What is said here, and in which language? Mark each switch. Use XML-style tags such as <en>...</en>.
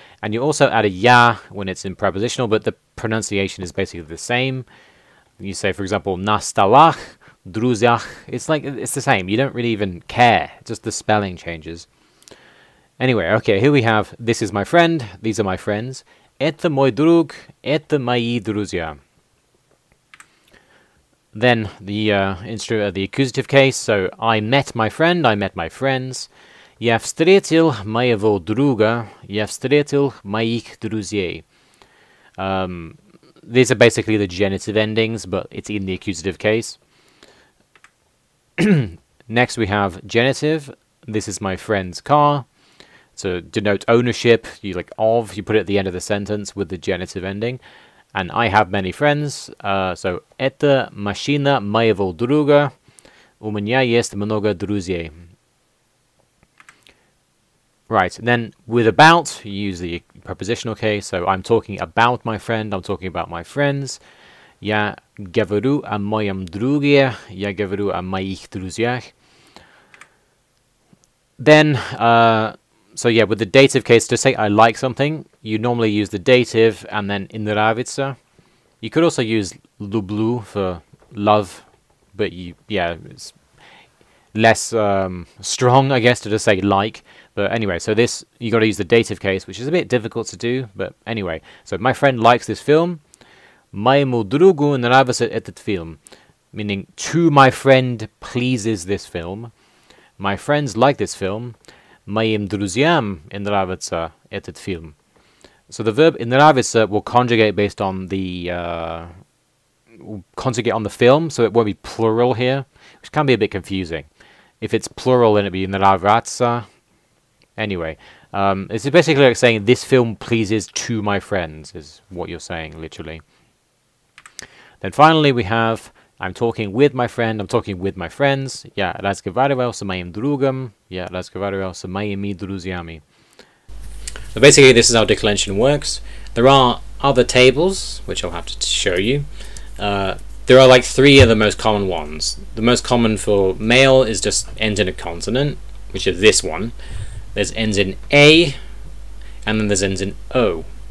<en>And you also add a я when it's in prepositional, but the pronunciation is basically the same. You say, for example,</en> <ru>на столах, друзьях.</ru> <en>It's the same. You don't really even care. Just the spelling changes. Anyway, okay, here we have, this is my friend, these are my friends.</en> <ru>Это мой друг, это мои друзья.</ru> <en>Then the accusative case, so I met my friend, I met my friends.</en> <ru>Я встретил моего друга, я встретил моих друзей.</ru> <en>These are basically the genitive endings, but it's in the accusative case. Next we have genitive, this is my friend's car. To denote ownership, you put it at the end of the sentence with the genitive ending. And I have many friends.</en> <ru>So, это машина моего друга. У меня есть много друзей.</ru> <en>Right, and then with about, you use the prepositional case. So, I'm talking about my friend. I'm talking about my friends.</en> <ru>Я говорю о моем друге. Я говорю о моих друзьях.</ru> <en>Then, so yeah, with the dative case, to say I like something, you normally use the dative and then nравится. You could also use люблю for love, but you, yeah, it's less strong, I guess, to just say like. But anyway, so this, you got to use the dative case, which is a bit difficult to do. But anyway, so my friend likes this film.</en> <ru>Моему другу нравится этот фильм,</ru> <en>meaning to my friend pleases this film. My friends like this film.</en> <ru>Моим друзьям нравится этот фильм.</ru> <en>So the verb нравится will conjugate based on the conjugate on the film, so it won't be plural here, which can be a bit confusing. If it's plural, then it'd be нравится. Anyway, this is basically like saying this film pleases to my friends is what you're saying literally. Then finally we have I'm talking with my friend. I'm talking with my friends.</en> <ru>Yeah, разговариваю с моим другом. Yeah, разговариваю с моими друзьями.</ru> <en>So basically, this is how declension works. There are other tables, which I'll have to show you. There are like three of the most common ones. The most common for male is just ends in a consonant, which is this one. There's ends in A, and then there's ends in O.</en>